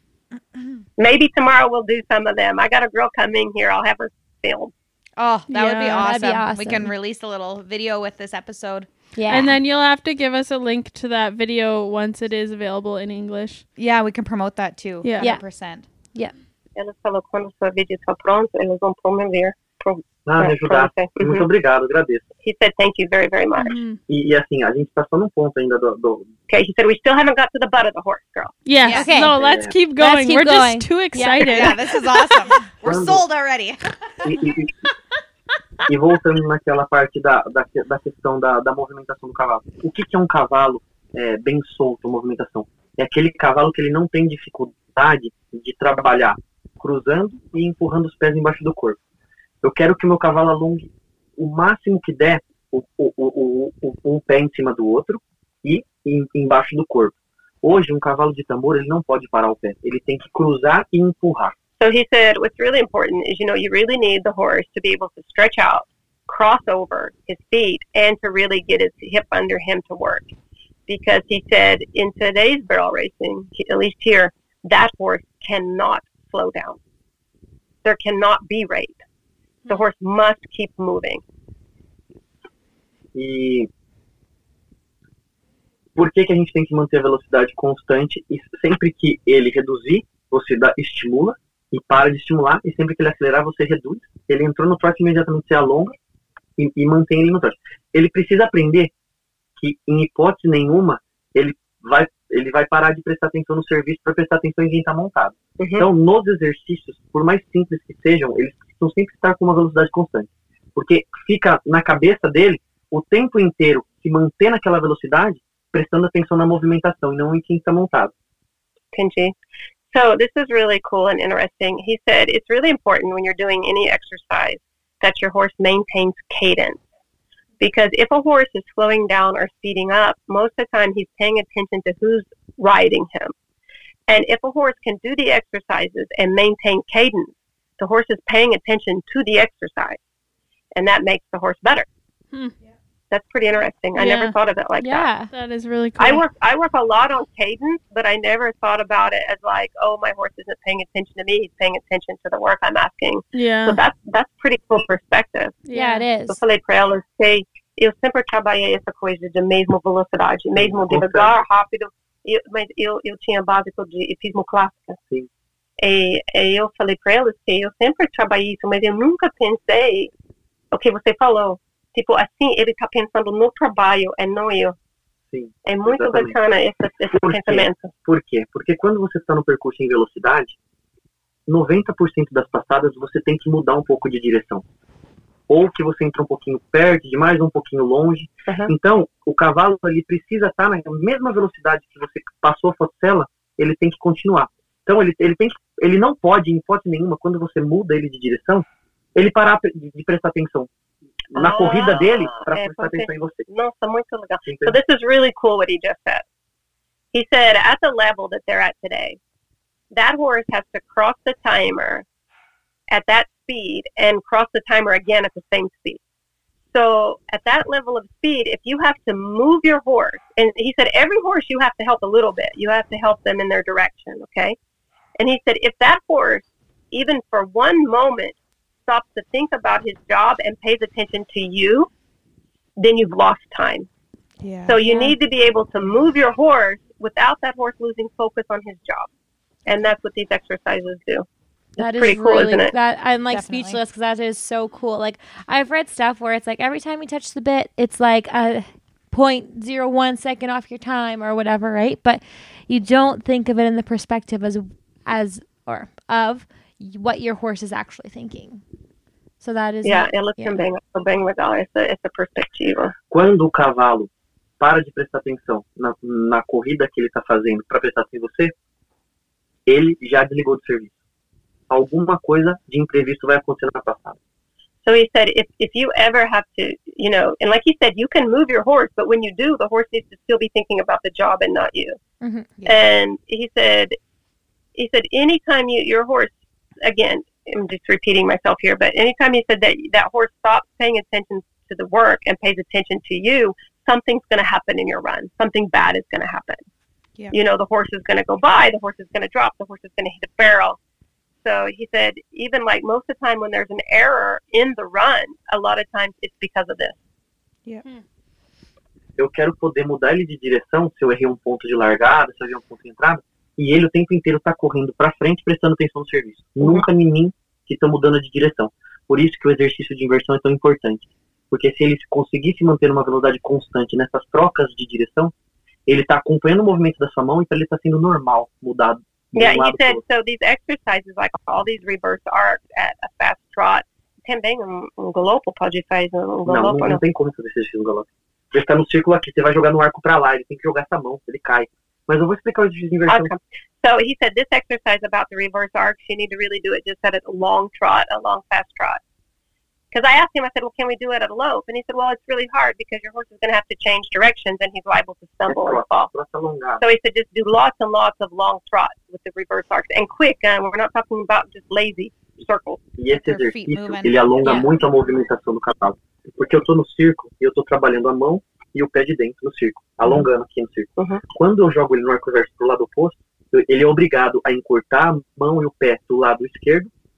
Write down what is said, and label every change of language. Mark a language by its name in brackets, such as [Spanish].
[English] Awesome. Maybe tomorrow we'll do some of them. I got a girl coming here. I'll have her film. Oh, that would be awesome. That'd be awesome. We can release a little video with this episode. Yeah. And then you'll have to give us a link to that video once it is available in English. Yeah, we can promote that too. Yeah. 100%. Yeah. [Portuguese] Ela falou quando o seu vídeo está pronto, eles vão promover. Me ajudar. Mm-hmm. Muito obrigado, agradeço. [English] He said thank you very, very much. Mm-hmm. [Portuguese] E assim, a gente está só num ponto ainda do... [English] Okay, he said we still haven't got to the butt of the horse, girl. Yes. Yeah. Okay. No, let's keep going. Let's keep We're going. Just too excited. Yeah, this is awesome. We're sold already. [Portuguese] E voltando naquela parte da questão da movimentação do cavalo. O que é um cavalo bem solto, movimentação? É aquele cavalo que ele não tem dificuldade de trabalhar cruzando e empurrando os pés embaixo do corpo. Eu quero que o meu cavalo alongue o máximo que der um pé em cima do outro e embaixo do corpo. Hoje, um cavalo de tambor, ele não pode parar o pé. Ele tem que cruzar e empurrar. [English] So he said, what's really important is, you know, you really need the horse to be able to stretch out, cross over his feet, and to really get his hip under him to work. Because he said, in today's barrel racing, at least here, that horse cannot slow down. There cannot be rate. The horse must keep moving. [Portuguese] E por que que a gente tem que manter a velocidade constante e sempre que ele reduzir, você estimula? E para de estimular, e sempre que ele acelerar, você reduz. Ele entrou no trote, imediatamente se alonga e mantém ele no trote. Ele precisa aprender que, em hipótese nenhuma, ele vai parar de prestar atenção no serviço para prestar atenção em quem está montado. Uhum. Então, nos exercícios, por mais simples que sejam, eles precisam sempre estar com uma velocidade constante. Porque fica na cabeça dele, o tempo inteiro, se manter naquela velocidade, prestando atenção na movimentação e não em quem está montado. Entendi. [English] So this is really cool and interesting. He said it's really important when you're doing any exercise that your horse maintains cadence. Because if a horse is slowing down or speeding up, most of the time he's paying attention to who's riding him. And if a horse can do the exercises and maintain cadence, the horse is paying attention to the exercise. And that makes the horse better. Hmm. That's pretty interesting. I never thought of it like that. Yeah, that is really cool. I work a lot on cadence, but I never thought about it as like, oh, my horse isn't paying attention to me. He's paying attention to the work I'm asking. Yeah. So that's pretty cool perspective. Yeah, it is. [Portuguese] Eu falei pra ela, sei, eu sempre trabalhei essa coisa de mesmo velocidade, mesmo devagar, rápido. Eu tinha básico de hipismo clássico. E eu falei pra ela, sei, eu sempre trabalhei isso, mas eu nunca pensei, okay, você falou. Tipo, assim, ele está pensando no trabalho e não eu. Sim. É muito exatamente. Bacana esse pensamento. Por quê? Porque quando você está no percurso em velocidade, 90% das passadas você tem que mudar um pouco de direção. Ou que você entra um pouquinho perto, demais, um pouquinho longe. Uhum. Então, o cavalo ali precisa estar na mesma velocidade que você passou a fotocela, ele tem que continuar. Então, ele não pode, em hipótese nenhuma, quando você muda ele de direção, ele parar de prestar atenção. Na corrida dele, para prestar atenção em você. Nossa, muito legal. Entendi. [English] So this is really cool what he just said. He said, at the level that they're at today, that horse has to cross the timer at that speed and cross the timer again at the same speed. So at that level of speed, if you have to move your horse, and he said, every horse you have to help a little bit. You have to help them in their direction, okay? And he said, if that horse, even for one moment, stops to think about his job and pays attention to you, then you've lost time. Yeah. So you need to be able to move your horse without that horse losing focus on his job. And that's what these exercises do. That is pretty cool, really, isn't it? That, I'm like definitely speechless because that is so cool. Like, I've read stuff where it's like every time you touch the bit, it's like a 0.01 second off your time or whatever, right? But you don't think of it in the perspective of what your horse is actually thinking. So that is. [Portuguese] Yeah, ela também legal essa perspectiva. Quando o cavalo para de prestar atenção na corrida que ele está fazendo para prestar atenção em você, ele já desligou do serviço. Alguma coisa de imprevisto vai acontecer na passada. [English] So he said, if you ever have to, you know, and like he said, you can move your horse, but when you do, the horse needs to still be thinking about the job and not you. Mm-hmm. Yeah. And he said, anytime your horse, again, I'm just repeating myself here, but anytime he said that horse stops paying attention to the work and pays attention to you, something's going to happen in your run. Something bad is going to happen. Yeah. You know, the horse is going to go by, the horse is going to drop, the horse is going to hit a barrel. So he said, even like most of the time when there's an error in the run, a lot of times it's because of this. Yeah. [Portuguese] Eu quero poder mudar ele de direção se eu errei um ponto de largada, se eu errei um ponto de entrada, e ele o tempo inteiro está correndo para frente prestando atenção no serviço. Nunca em mim que estou mudando de direção. Por isso que o exercício de inversão é tão importante. Porque se ele conseguisse manter uma velocidade constante nessas trocas de direção, ele está acompanhando o movimento da sua mão, então ele está sendo normal mudado. [English] Yeah, he said, so these exercises, like all these reverse arcs at a fast trot, [Portuguese] também galope, pode fazer galope. Não, tem como fazer esse galope. Você está no círculo aqui, você vai jogar no arco para lá, ele tem que jogar essa mão, ele cai. Mas eu vou explicar o exercício de inversão. [English] Awesome. So he said, this exercise about the reverse arcs, you need to really do it just at a long fast trot. Because I asked him, I said, well, can we do it at a lope? And he said, well, it's really hard because your horse is going to have to change directions and he's liable to stumble and fall. So he said, just do lots and lots of long trots with the reverse arcs. And quick, we're not talking about just lazy circles. [Portuguese] E esse exercício, ele alonga muito a movimentação do cavalo. Porque eu estou no circo e eu estou trabalhando a mão e o pé de dentro no circo, alongando aqui no circo. Uh-huh. Quando eu jogo ele no arco reverso para o lado oposto, ele é obrigado a encurtar a mão e o pé do lado esquerdo.